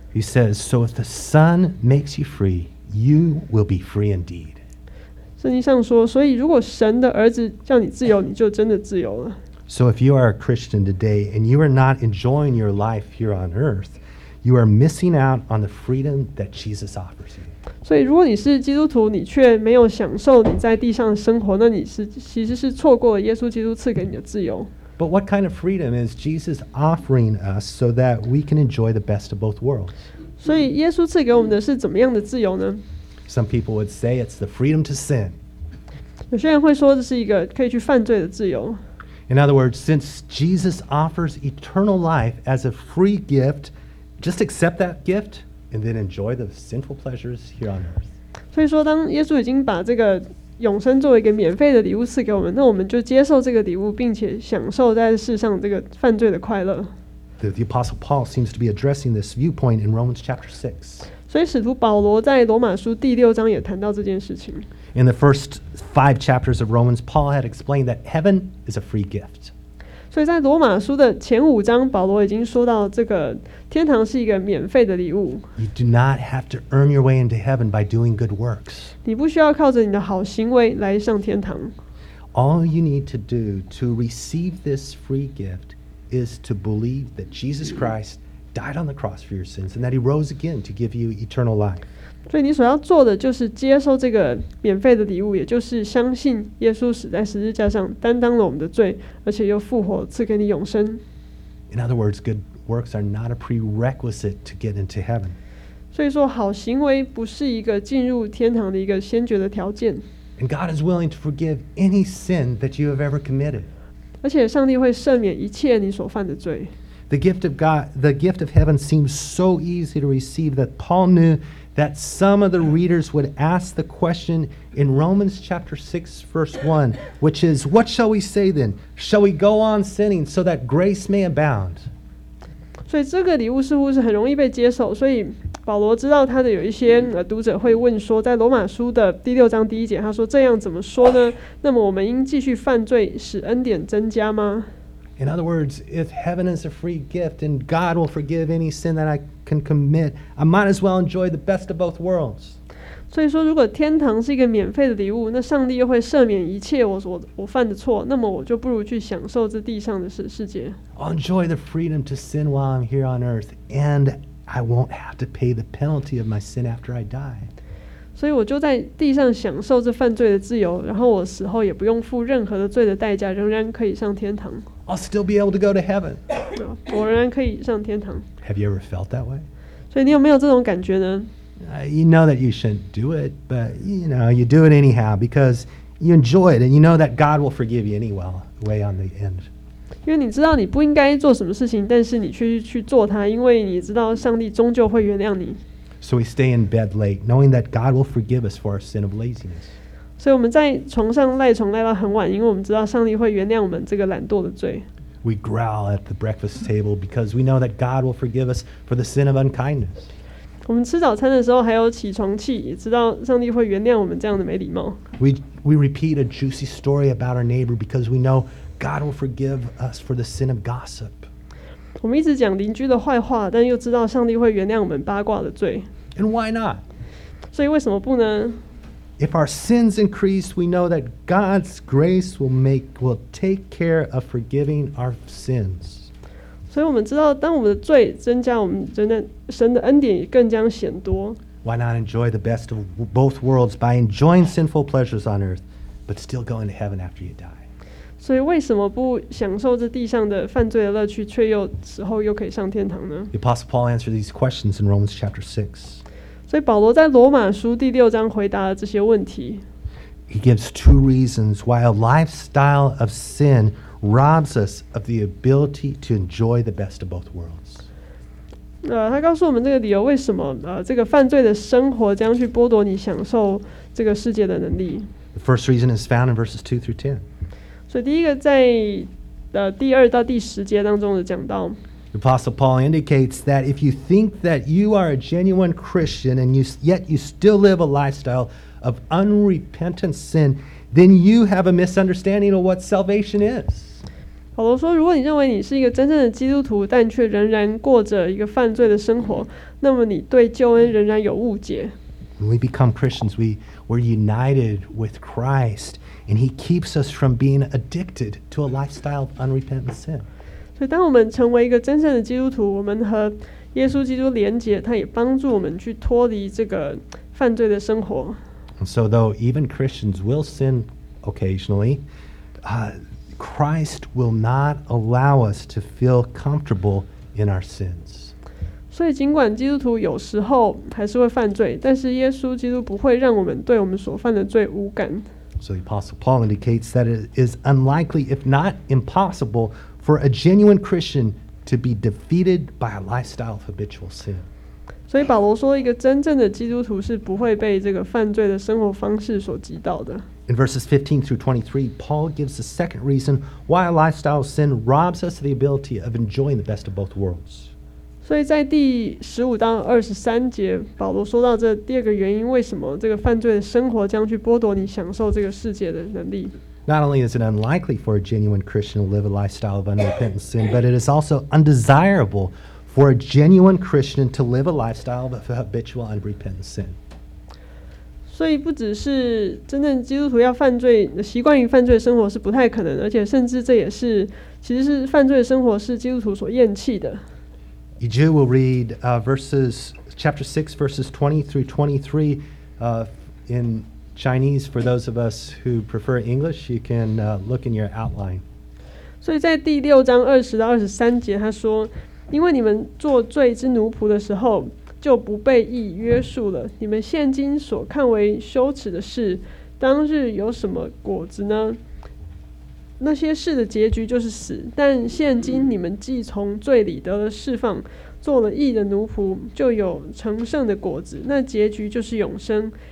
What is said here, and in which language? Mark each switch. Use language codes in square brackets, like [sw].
[en] He says, "So if the Son makes you free, you will be free indeed." [zh] 圣经上说，所以如果神的儿子叫你自由，你就真的自由了。 [en] So if you are a Christian today and you are not enjoying your life here on earth, you are missing out on the freedom that Jesus offers you. [zh] 所以如果你是基督徒，你却没有享受你在地上的生活，那你是其实是错过了耶稣基督赐给你的自由。 [en] But what kind of freedom is Jesus offering us so that we can enjoy the best of both worlds? [zh] 所以耶稣赐给我们的是怎么样的自由呢？ [en] Some people would say it's the freedom to sin. [zh] 有些人会说这是一个可以去犯罪的自由。 [en] In other words, since Jesus offers eternal life as a free gift, just accept that gift and then enjoy the sinful pleasures here on earth. [zh] 所以说，当耶稣已经把这个永生作为一个免费的礼物赐给我们，那我们就接受这个礼物，并且享受在世上这个犯罪的快乐。 [en] The Apostle Paul seems to be addressing this viewpoint in Romans chapter 6. [zh] 所以使徒保罗在罗马书第六章也谈到这件事情。 [en] In the first five chapters of Romans, Paul had explained that heaven is a free gift. [zh] 所以在罗马书的前五章，保罗已经说到这个天堂是一个免费的礼物。 [en] You do not have to earn your way into heaven by doing good works. [zh] 你不需要靠着你的好行为来上天堂。 [en] All you need to do to receive this free gift is to believe that Jesus Christ died on the cross for your sins and that he rose again to give you eternal life. [zh] 所以你所要做的就是接受这个免费的礼物，也就是相信耶稣死在十字架上，担当了我们的罪，而且又复活，赐给你永生。 [en] In other words, good works are not a prerequisite to get into heaven. [zh] 所以说，好行为不是一个进入天堂的一个先决的条件。 [en] And God is willing to forgive any sin that you have ever committed. [zh] 而且上帝会赦免一切你所犯的罪。 [en] The gift of heaven seems so easy to receive that Paul knew. That some of the readers would ask the question in Romans chapter 6, verse 1, which is, what shall we say then? Shall we go on sinning so that grace may abound? [zh] 所以这个礼物似乎是很容易被接受，所以保罗知道他的有一些读者会问说，在罗马书的第六章第一节，他说这样怎么说呢？那么我们应继续犯罪使恩典增加吗？ [en] In other words, if heaven is a free gift and God will forgive any sin that I can commit, I might as well enjoy the best of both worlds. [zh] 所以说，如果天堂是一个免费的礼物，那上帝又会赦免一切我犯的错，那么我就不如去享受这地上的世界。 [en] I'll enjoy the freedom to sin while I'm here on earth, and I won't have to pay the penalty of my sin after I die. [zh] 所以我就在地上享受这犯罪的自由，然后我死后也不用付任何的罪的代价，仍然可以上天堂。 [en] I'll still be able to go to heaven. [zh] 我仍然可以上天堂。 [en] Have you ever felt that way? [zh] 所以你有没有这种感觉呢？ [en] You know that you shouldn't do it, but you know, you do it anyhow because you enjoy it and you know that God will forgive you anyway, way on the end. [zh] 因为你知道你不应该做什么事情，但是你却去做它，因为你知道上帝终究会原谅你。 [en] So we stay in bed late, knowing that God will forgive us for our sin of laziness. [zh] 所以我们在床上赖床赖到很晚，因为我们知道上帝会原谅我们这个懒惰的罪。 [en] We growl at the breakfast table because we know that God will forgive us for the sin of unkindness. [zh] 我们吃早餐的时候还有起床气，也知道上帝会原谅我们这样的没礼貌。 [en] We repeat a juicy story about our neighbor because we know God will forgive us for the sin of gossip. [zh] 我们一直讲邻居的坏话，但又知道上帝会原谅我们八卦的罪。 [en] And why not? [zh] 所以为什么不呢？ [en] If our sins increase, we know that God's grace will take care of forgiving our sins. [zh] 所以我们知道，当我们的罪增加，我们真的神的恩典也更将显多。 [en] Why not enjoy the best of both worlds by enjoying sinful pleasures on earth, but still going to heaven after you die? [zh] 所以为什么不享受这地上的犯罪的乐趣，却又死后又可以上天堂呢？ [en] The Apostle Paul answered these questions in Romans chapter 6. [zh] 所以保罗在罗马书第六章回答了这些问题。 [en] He gives two reasons why a lifestyle of sin robs us of the ability to enjoy the best of both worlds. [zh] 他告诉我们这个理由，为什么这个犯罪的生活将去剥夺你享受这个世界的能力。 [en] The first reason is found in verses 2 through 10. [zh] 所以第一个在第二到第十节当中有讲到。 [en] The Apostle Paul indicates that if you think that you are a genuine Christian and yet you still live a lifestyle of unrepentant sin, then you have a misunderstanding of what salvation is. [zh] 保罗说，如果你认为你是一个真正的基督徒，但却仍然过着一个犯罪的生活，那么你对救恩仍然有误解。 [en] When we become Christians, we're united with Christ, and He keeps us from being addicted to a lifestyle of unrepentant sin. [zh] 所以，当我们成为一个真正的基督徒，我们和耶稣基督连结，他也帮助我们去脱离这个犯罪的生活。 [en] And so, though even Christians will sin occasionally, Christ will not allow us to feel comfortable in our sins. [zh] 所以尽管基督徒有时候还是会犯罪，但是耶稣基督不会让我们对我们所犯的罪无感。 [en] So the Apostle Paul indicates that it is unlikely, if not impossible, for a genuine Christian to be defeated by a lifestyle of habitual sin. [zh] 所以保罗说，一个真正的基督徒是不会被这个犯罪的生活方式所击倒的。 [en] In verses 15 through 23, Paul gives a second reason why a lifestyle of sin robs us of the ability of enjoying the best of both worlds. [zh] 所以在第15到23节，保罗说到这第二个原因，为什么这个犯罪的生活将去剥夺你享受这个世界的能力。 [en] Not only is it unlikely for a genuine Christian to live a lifestyle of unrepentant sin, but it is also undesirable for a genuine Christian to live a lifestyle of habitual unrepentant sin. [zh] 所以不只是真正基督徒要犯罪，习惯于犯罪生活是不太可能，而且甚至这也是，其实是犯罪生活是基督徒所厌弃的。 [en] You Jew will read verses chapter 6 verses 20 through 23 in Chinese. For those of us who prefer English, you can look in your outline. [zh] 所以在第六章二十到二十三节，他说，因为你们做罪之奴仆的时候，就不被义约束了。你们现今所看为羞耻的事，当日有什么果子呢？那些事的结局就是死，但现今你们既从罪里得了释放，做了义的奴仆，就有成圣的果子，那结局就是永生。